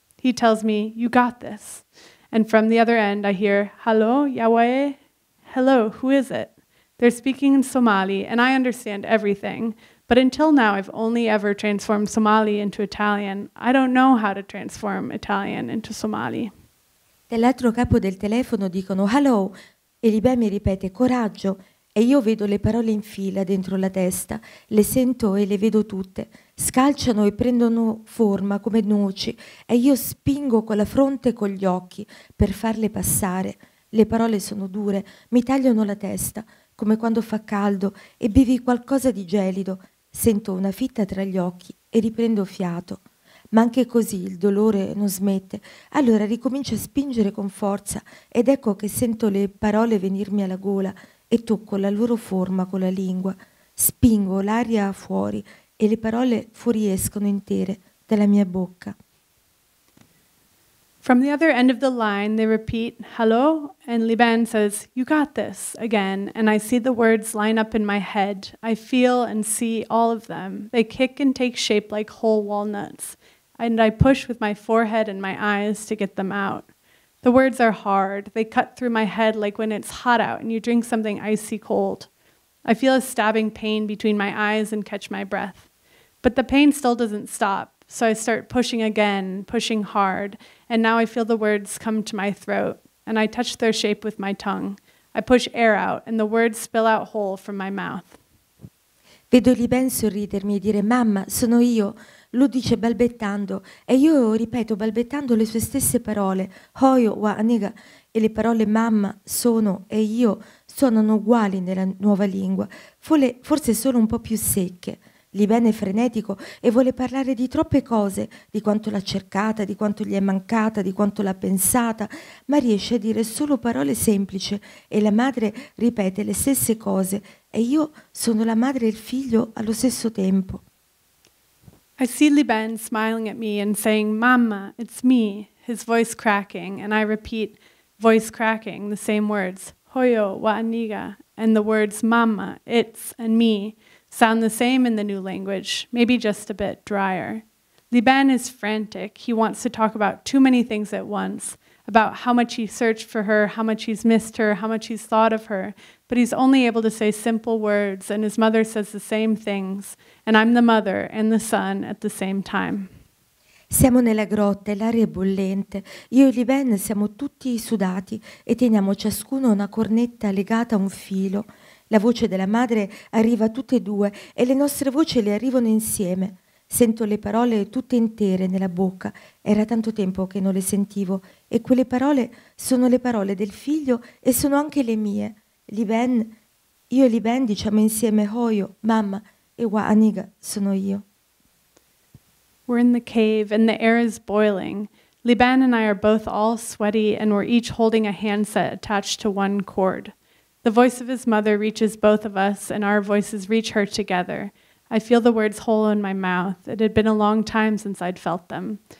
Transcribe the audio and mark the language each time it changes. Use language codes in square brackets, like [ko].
[en] He tells me, you got this. And from the other end, I hear, hello, Yawae? Hello, who is it? They're speaking in Somali, and I understand everything. But until now, I've only ever transformed Somali into Italian. I don't know how to transform Italian into Somali. [it] Dall'altro capo del telefono dicono, hello. E Liban mi ripete, coraggio. E io vedo le parole in fila dentro la testa. Le sento e le vedo tutte. Scalciano e prendono forma come noci e io spingo con la fronte e con gli occhi per farle passare. Le parole sono dure, mi tagliano la testa, come quando fa caldo e bevi qualcosa di gelido. Sento una fitta tra gli occhi e riprendo fiato. Ma anche così il dolore non smette. Allora ricomincio a spingere con forza ed ecco che sento le parole venirmi alla gola e tocco la loro forma con la lingua. Spingo l'aria fuori e le parole fuoriescono intere dalla mia bocca. [en] From the other end of the line, they repeat, hello, and Liban says, you got this, again, and I see the words line up in my head. I feel and see all of them. They kick and take shape like whole walnuts, and I push with my forehead and my eyes to get them out. The words are hard. They cut through my head like when it's hot out and you drink something icy cold. I feel a stabbing pain between my eyes and catch my breath. But the pain still doesn't stop, so I start pushing again, pushing hard, and now I feel the words come to my throat, and I touch their shape with my tongue. I push air out, and the words spill out whole from my mouth. [it] Vedo Liben sorridermi e dire, mamma, sono io. Lo dice balbettando e io ripeto balbettando le sue stesse parole. [so] Hoyo wa aniga [it] e le parole mamma, sono e io suonano uguali nella nuova lingua, forse solo un po' più secche. Liben è frenetico e vuole parlare di troppe cose, di quanto l'ha cercata, di quanto gli è mancata, di quanto l'ha pensata, ma riesce a dire solo parole semplici e la madre ripete le stesse cose e io sono la madre e il figlio allo stesso tempo. [en] I see Liben smiling at me and saying, mamma, it's me, his voice cracking, and I repeat, voice cracking, the same words, [so] hoyo wa aniga, [en] and the words mamma, it's, and me, sound the same in the new language, maybe just a bit drier. Liben is frantic. He wants to talk about too many things at once, about how much he searched for her, how much he's missed her, how much he's thought of her, but he's only able to say simple words, and his mother says the same things, and I'm the mother and the son at the same time. [it] Siamo nella grotta e l'aria è bollente. Io e Liben siamo tutti sudati e teniamo ciascuno una cornetta legata a un filo. La voce della madre arriva a tutte e due e le nostre voci le arrivano insieme. Sento le parole tutte intere nella bocca. Era tanto tempo che non le sentivo. E quelle parole sono le parole del figlio e sono anche le mie. Liben, io e Liben diciamo insieme [so] hoyo, [it] mamma, e [so] wa aniga, [it] sono io. [en] We're in the cave and the air is boiling. Liban and I are both all sweaty and we're each holding a handset attached to one cord. The voice of his mother reaches both of us and our voices reach her together. I feel the words hole in my mouth. It had been a long time since I'd felt them.